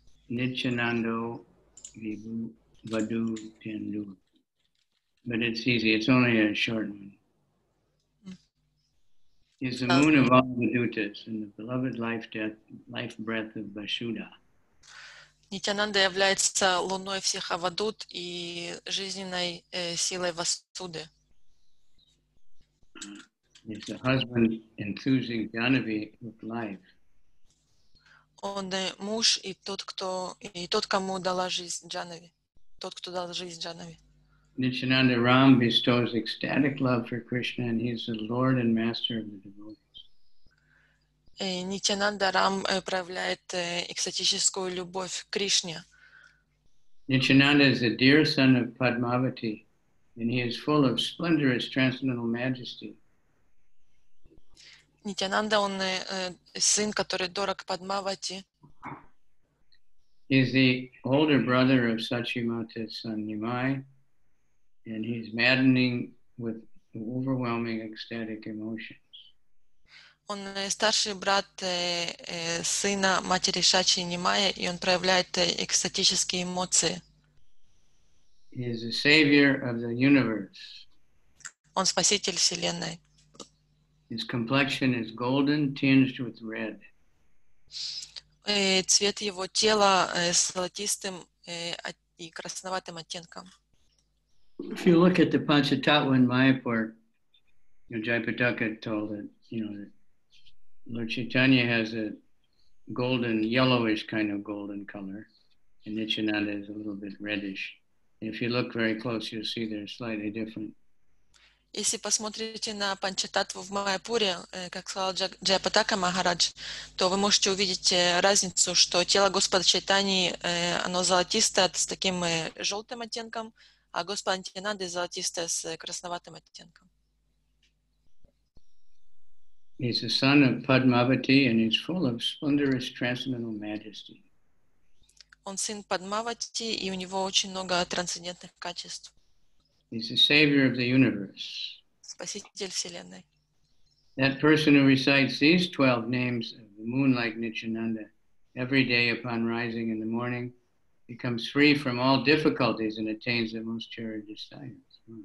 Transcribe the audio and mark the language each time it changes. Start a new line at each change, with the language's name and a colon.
English: Nityanando Vibhu Vadu Tendu. But it's easy, it's only a short one. He's the moon of all the duttas and the beloved life breath of Vasudha.
Russian: Nityananda является луной всех авадут и жизненной силой Васуды.
English: He's the husband enthusing Janavi with life.
Russian: Он муж и тот, кому дала жизнь Джанави. Тот, кто дал жизнь Джанави.
English: Nityananda Ram bestows ecstatic love for Krishna and he's the Lord and Master of the devotees.
Russian: Nityananda Ram проявляет экстатическую любовь к Кришне.
English: Nityananda is the dear son of Padmavati and he is full of splendorous transcendental majesty.
Russian: Нитянанда, он сын, который дорог Падмавати.
English: He's the older brother of Sachimata's son Nimai, and he's maddening with overwhelming ecstatic emotions.
Russian: Он старший брат сына матери Шачи Нимая, и он проявляет экстатические эмоции.
English: He is the savior of the universe.
Russian: Он спаситель вселенной.
English: His complexion is golden, tinged with red.
Russian: Цвет его тела золотистым и красноватым оттенком.
English: If you look at the Panchatattva in Mayapur, Jayapataka told it, you know, that Lord Chaitanya has a golden, yellowish kind of golden color, and Nityananda is a little bit reddish. And if you look very close, you'll see they're slightly different.
Russian: Если посмотрите на Панчататву в Майяпуре, как сказал Джайапатака Махарадж, то вы можете увидеть разницу, что тело Господа Чайтани, оно золотистое с таким желтым оттенком, а Господа Нитянанды золотистое с красноватым оттенком.
English: He's the son of Padmavati and he's full of splendorous transcendental majesty.
Russian: Он сын Падмавати, и у него очень много трансцендентных качеств.
English: He's the savior of the universe.
Russian: Спаситель вселенной.
English: That person who recites these 12 names of the moon-like Nityananda every day upon rising in the morning becomes free from all difficulties and attains the most cherished science.